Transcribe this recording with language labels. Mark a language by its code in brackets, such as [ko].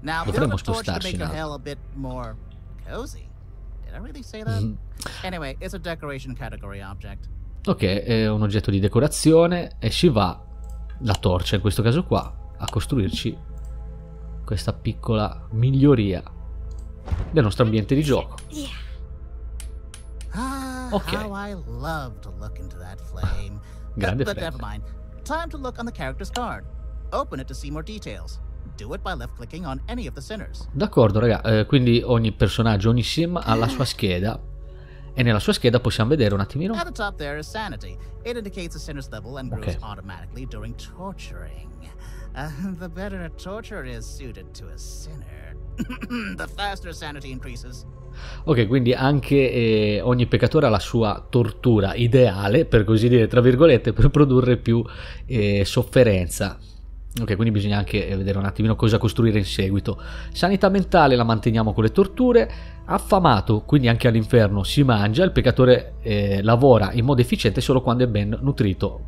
[it] Dovremmo spostarci in alto. Ok, è un oggetto di decorazione e si va, la torcia in questo caso qua, a costruirci questa piccola miglioria. del nostro ambiente di gioco. Ok. [en] How I love to look into that flame. [it] Grande [en] flame. But never mind. Time to look on the character's card. Open it to see more details. Do it by left clicking on any of the sinners. [it] D'accordo, raga. Quindi ogni personaggio, ogni sim ha la sua scheda. E nella sua scheda possiamo vedere un attimino. [en] At the top there is sanity. It indicates the sinner's level and grows automatically during torturing. The better a torturer is suited to a sinner, the faster sanity increases. [it] Ok, quindi anche ogni peccatore ha la sua tortura ideale, per così dire, tra virgolette, per produrre più sofferenza. Ok, quindi bisogna anche vedere un attimino cosa costruire in seguito. Sanità mentale la manteniamo con le torture. Affamato, quindi anche all'inferno si mangia. Il peccatore lavora in modo efficiente solo quando è ben nutrito.